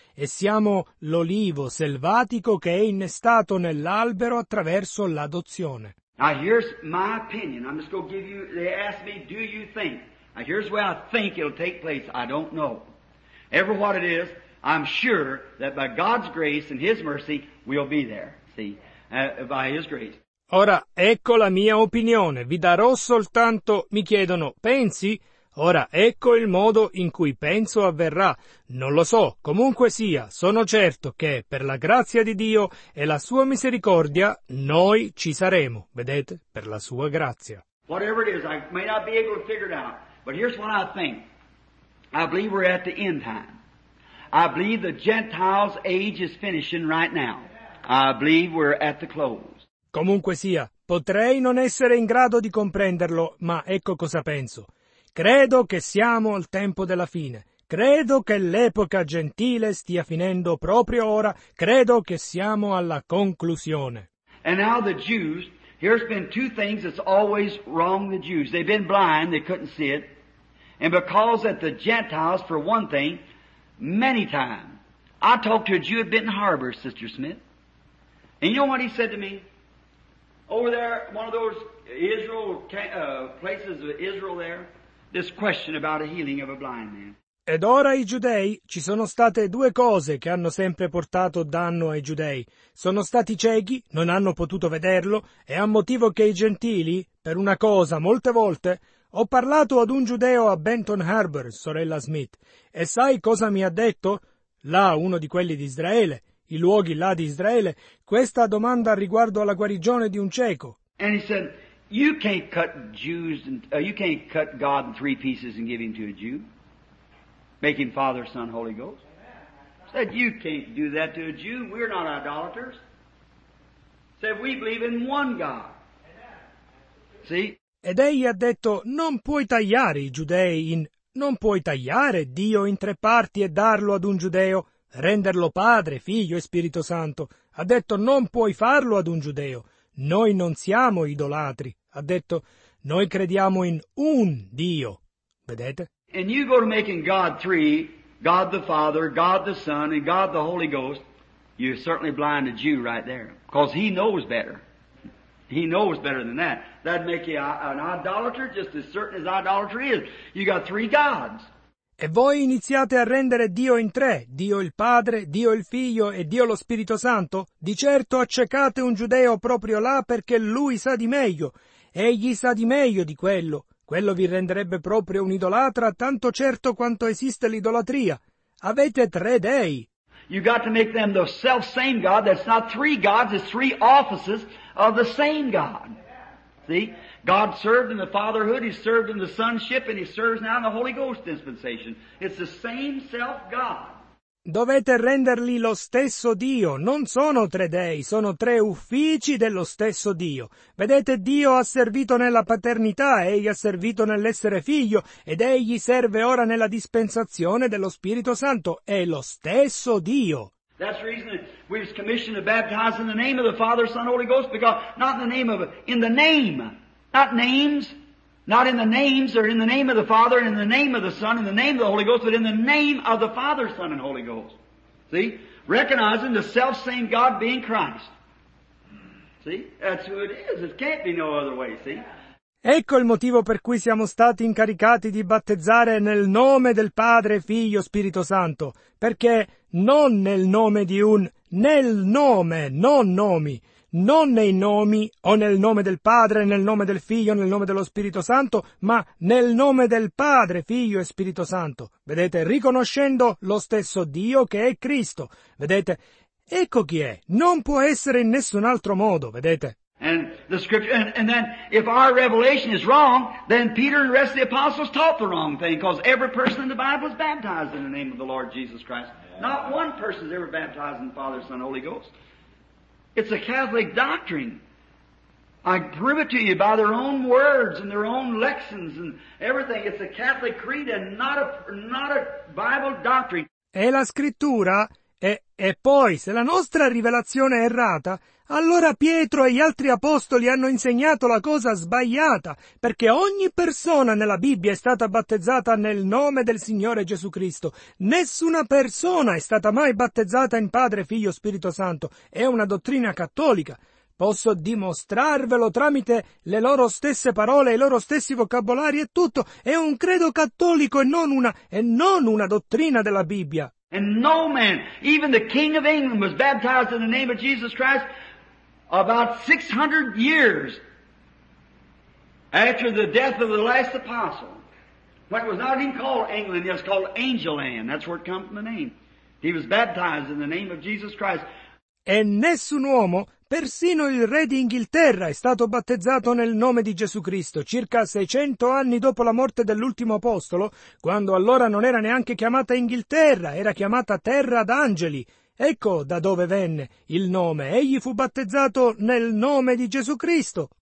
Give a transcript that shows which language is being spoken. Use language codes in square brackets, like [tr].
[it] E siamo l'olivo selvatico che è innestato nell'albero attraverso l'adozione. [en] Now here's my opinion. I'm just going to give you, they asked me, do you think? Now here's where I think it'll take place. I don't know. Ever what it is, I'm sure that by God's grace and His mercy, we'll be there, see? By His grace. [it] Ora, ecco la mia opinione. Vi darò soltanto, mi chiedono, pensi? Ora, ecco il modo in cui penso avverrà. Non lo so, comunque sia, sono certo che, per la grazia di Dio e la sua misericordia, noi ci saremo, vedete, per la sua grazia. [en] Whatever it is, I may not be able to figure it out, but here's what I think. I believe we're at the end time. I believe the Gentiles' age is finishing right now. I believe we're at the close. [it] Comunque sia, potrei non essere in grado di comprenderlo, ma ecco cosa penso. Credo che siamo al tempo della fine. Credo che l'epoca gentile stia finendo proprio ora. Credo che siamo alla conclusione. [en] And now the Jews, here's been two things that's always wrong the Jews. They've been blind, they couldn't see it. And because at the Gentiles, for one thing, many times, I talked to a Jew at Benton Harbor, Sister Smith. And you know what he said to me? Over there, one of those Israel places of Israel there, this question about a healing of a blind man. [it] Ed ora i giudei, ci sono state due cose che hanno sempre portato danno ai giudei. Sono stati ciechi, non hanno potuto vederlo, e a motivo che i gentili, per una cosa, molte volte, ho parlato ad un giudeo a Benton Harbor, sorella Smith, e sai cosa mi ha detto? Là, uno di quelli di Israele, i luoghi là di Israele, questa domanda riguardo alla guarigione di un cieco. [en] And he said, you can't cut Jews, you can't cut God in three pieces and give him to a Jew. Make him Father, Son, Holy Ghost. He said, you can't do that to a Jew. We're not idolaters. He said, we believe in one God. See? [it] Ed egli ha detto, non puoi tagliare i giudei in... Non puoi tagliare Dio in tre parti e darlo ad un giudeo. Renderlo Padre, Figlio e Spirito Santo. Ha detto, non puoi farlo ad un giudeo. Noi non siamo idolatri. Ha detto, noi crediamo in un Dio. Vedete? [en] And you go to making God three, God the Father, God the Son, and God the Holy Ghost, you certainly blind a Jew right there. Because he knows better. He knows better than that. That'd make you an idolater just as certain as idolatry is. You got three gods. [it] E voi iniziate a rendere Dio in tre, Dio il Padre, Dio il Figlio e Dio lo Spirito Santo? Di certo accecate un giudeo proprio là perché lui sa di meglio. Egli sa di meglio di quello. Quello vi renderebbe proprio un idolatra, tanto certo quanto esiste l'idolatria. Avete tre dei. [en] You got to make them the self same God. That's not three gods, it's three offices of the same God. See? God served in the fatherhood, he served in the sonship, and he serves now in the Holy Ghost dispensation. It's the same self God. [it] Dovete renderli lo stesso Dio. Non sono tre dei, sono tre uffici dello stesso Dio. Vedete, Dio ha servito nella paternità, egli ha servito nell'essere figlio, ed egli serve ora nella dispensazione dello Spirito Santo. È lo stesso Dio. [en] That's the reason we was commissioned to baptize in the name of the Father, Son, Holy Ghost, because not in the name of, in the name. Not names, Not in the names, or in the name of the Father, and in the name of the Son, and the name of the Holy Ghost, but in the name of the Father, Son, and Holy Ghost. See? Recognizing the self-same God being Christ. See? That's who it is. It can't be no other way, see? [it] Ecco il motivo per cui siamo stati incaricati di battezzare nel nome del Padre, Figlio, Spirito Santo, perché non nel nome di un, nel nome, non nomi, non nei nomi o nel nome del Padre, nel nome del Figlio, nel nome dello Spirito Santo, ma nel nome del Padre, Figlio e Spirito Santo. Vedete, riconoscendo lo stesso Dio che è Cristo. Vedete, ecco chi è, non può essere in nessun altro modo, vedete. [en] And the scripture, and then if our revelation is wrong, then Peter and the rest of the apostles taught the wrong thing, because every person in the Bible is baptized in the name of the Lord Jesus Christ. Yeah. Not one person is ever baptized in the Father, Son, Holy Ghost. It's a Catholic doctrine. I prove it to you by their own words and their own lexicons and everything. It's a Catholic creed and not a Bible doctrine. [it] E la scrittura. E poi, se la nostra rivelazione è errata, allora Pietro e gli altri apostoli hanno insegnato la cosa sbagliata, perché ogni persona nella Bibbia è stata battezzata nel nome del Signore Gesù Cristo. Nessuna persona è stata mai battezzata in Padre, Figlio, Spirito Santo. È una dottrina cattolica. Posso dimostrarvelo tramite le loro stesse parole, i loro stessi vocabolari e tutto. È un credo cattolico e non una dottrina della Bibbia. [en] And no man, even the King of England, was baptized in the name of Jesus Christ about 600 years after the death of the last apostle. What was not even called England, it was called Angeland. That's where it comes from the name. He was baptized in the name of Jesus Christ. [it] E nessun uomo, persino il re di Inghilterra, è stato battezzato nel nome di Gesù Cristo, circa 600 anni dopo la morte dell'ultimo apostolo, quando allora non era neanche chiamata Inghilterra, era chiamata Terra d'Angeli. Ecco da dove venne il nome. Egli fu battezzato nel nome di Gesù Cristo.